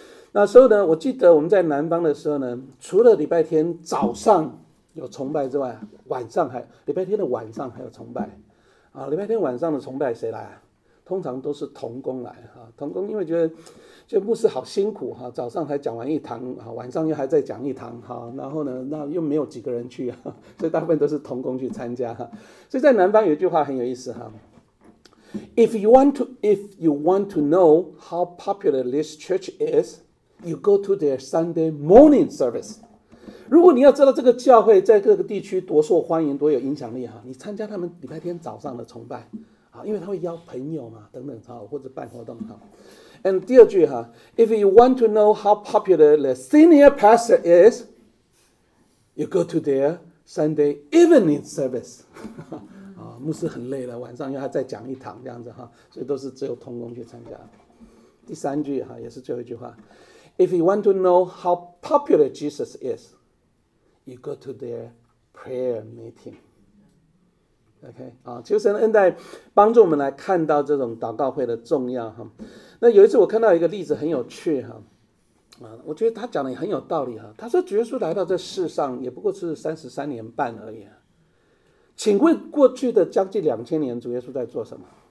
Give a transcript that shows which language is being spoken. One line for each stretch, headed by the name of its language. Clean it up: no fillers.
Chinese: 那时候呢我记得我们在南方的时候呢，除了礼拜天早上有崇拜之外，礼拜天的晚上还有崇拜。礼拜天晚上的崇拜谁来？通常都是同工来。同工因为觉得就牧师好辛苦，早上才讲完一堂，晚上又还在讲一堂，然后呢那又没有几个人去，所以大部分都是同工去参加。所以在南方有一句话很有意思，
English: If you want to know how popular this church is,You go to their Sunday morning service.
Chinese: 如果你要知道这个教会在各个地区多受欢迎，多有影响力，你参加他们礼拜天早上的崇拜，因为他会邀朋友嘛，等等，或者办活动。
English: And
Chinese: 第二句
English: If you want to know how popular the senior pastor is, you go to their Sunday evening service.
Chinese: 牧师很累了，晚上要再讲一堂这样子，所以都是只有同工去参加。第三句也是最后一句话，
English: If you want to know how popular Jesus is, you go to their prayer meeting.
Chinese: OK, 求神恩待帮助我们来看到这种祷告会的重要。那有一次我看到一个例子很有趣，我觉得他讲的也很有道理。他说主耶稣来到这世上也不过是33年半而已。请问过去的将近2000年主耶稣在做什么？